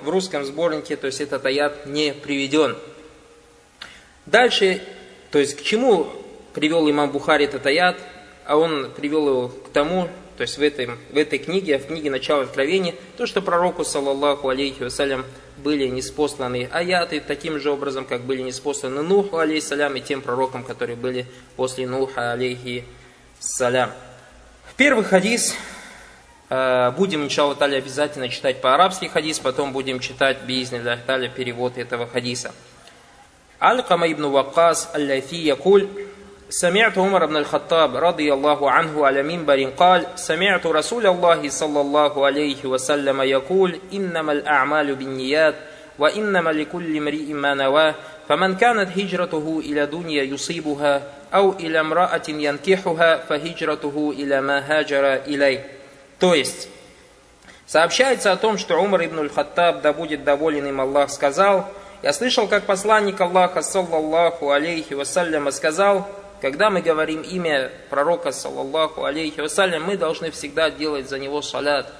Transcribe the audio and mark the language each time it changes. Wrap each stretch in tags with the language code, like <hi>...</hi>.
<ru>В русском сборнике, то есть этот аят не приведен. Дальше, то есть к чему привел имам Бухари этот аят, а он привел его к тому, то есть в этой книге, в книге «Начало откровения», то, что пророку, саллаллаху алейхи вассалям, были ниспосланы аяты таким же образом, как были ниспосланы Нуху алейхиссалям и тем пророкам, которые были после Нуха алейхиссалям. Первый хадис, будем, иншалла таля, обязательно читать по-арабски хадис, потом будем читать, биизниллах таля, перевод этого хадиса.</ru> <ar>«Аль-Кама ибн Ваккас аль-Лайфи якуль». سمعت عمر بن الخطاب رضي الله عنه على منبر قال سمعت رسول الله صلى الله عليه وسلم يقول إنما الأعمال بالنيات وإنما لكل امرئ ما نوى فمن كانت هجرته إلى دنيا يصيبها أو إلى امرأة ينكحها فهجرته إلى ما هاجر إليه.</ar> <ru>То есть сообщается о том, что Умар ибн аль-Хаттаб, да будет доволен им Аллах, сказал: я слышал, как посланник Аллаха саллаллаху алейхи вассалям сказал: когда мы говорим имя пророка, саллаллаху алейхи вассалям, мы должны всегда делать за него шалят.</ru>